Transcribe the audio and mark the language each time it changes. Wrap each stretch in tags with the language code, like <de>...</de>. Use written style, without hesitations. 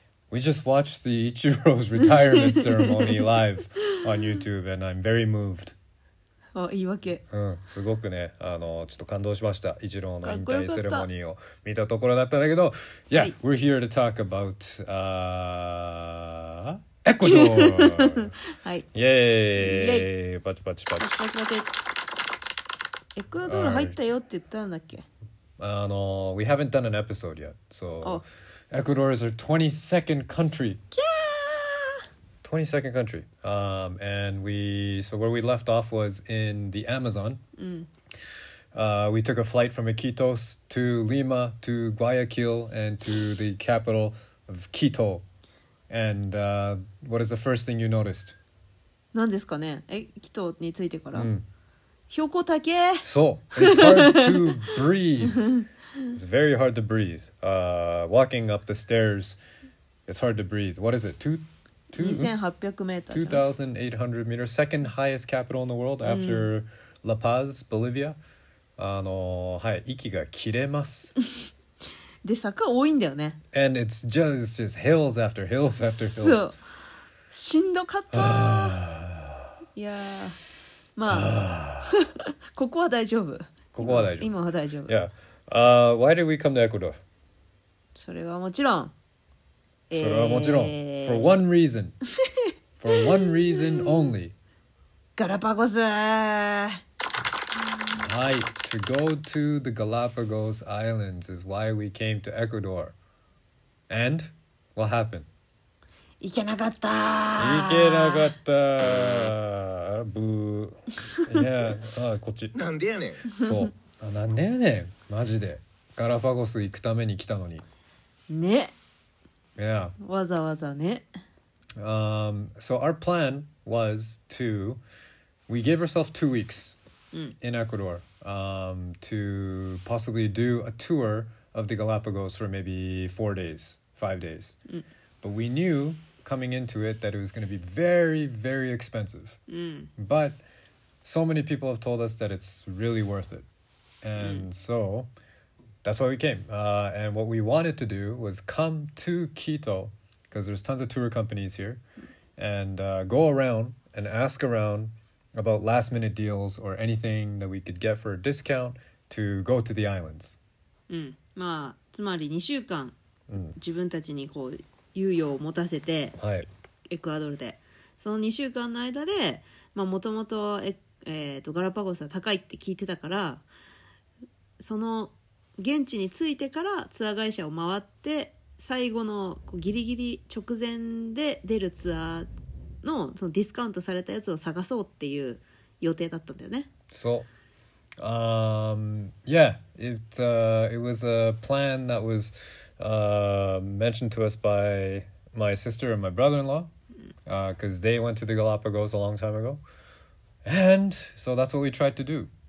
<en>We just watched the Ichiro's retirement ceremony live on YouTube and I'm very moved</en> <ja>あ、言い訳、うん、すごくね、ちょっと感動しました。イチローの引退セレモニーを見たところだったんだけど、いや、はい、</ja> <en>We're here to talk about</en> <ja>エクアドール。はい、イエーイ、イエーイ、パチパチパチパチパチ。エクアドール入ったよって言ったんだっけ、</ja> <en>はい、We haven't done an episode yet. So Ecuador is our 22nd country.</en> <ja>キャー</ja> <en>22nd country. Where we left off was in the Amazon. We took a flight from Iquitos to Lima, to Guayaquil, and to the capital of Quito. And what is the first thing you noticed?</en> <ja>何ですかね？え、キトに着いてから。標高高え。</ja> <en>そう。It's hard to breathe. It's very hard to breathe. Walking up the stairs, it's hard to breathe. What is it? Two thousand eight hundred meters, second highest capital in the world after La Paz, Bolivia.</en> <ja>はい、息が切れます。で、坂多いんだよね。</ja> <en>And it's just hills after hills after hills.</en> <ja>そう、しんどかった。いや、まあ、ここは大丈夫。ここは大丈夫。今は大丈夫。</ja> <en>Yeah. Why did we come to Ecuador?</en> <ja>それはもちろん。それはもちろん、</ja> <en>for one reason, for one reason only.</en> <ja>ガラパゴス。</ja> <en>はい、to go to the Galapagos Islands is why we came to Ecuador. And what happened?</en> <ja>行けなかった。行けなかった。ブー。いや、あ、こっち。なんでやねん。そう。あ、なんでやねん。マジで。ガラパゴス行くために来たのに。ね。</ja> <en>Yeah.</en> <ja>わざわざね。</ja> <en>So our plan was to, we gave ourselves 2 weeks in Ecuador, to possibly do a tour of the Galapagos for maybe 4 days, 5 days. But we knew coming into it that it was going to be very, very expensive. But so many people have told us that it's really worth it. And so... That's why we came. And what we wanted to do was come to Quito, because there's tons of tour companies here, and go around and ask around about last minute deals or anything that we could get for a discount to go to the islands.</en> <ja>まあ、つまり2週間、自分たちにこう猶予を持たせて、はい、エクアドルで。その2週間の間で、まあ、もともと、ガラパゴスは高いって聞いてたから、その現地に着いてからツアー会社を回って最後のこうギリギリ直前で出るツアー の, そのディスカウントされたやつを探そうっていう予定だったんだよね。</ja> <en>そう、it was a plan that was mentioned to us by my sister and my brother-in-law because they went to the Galapagos a long time ago and so that's what we tried to do.</en>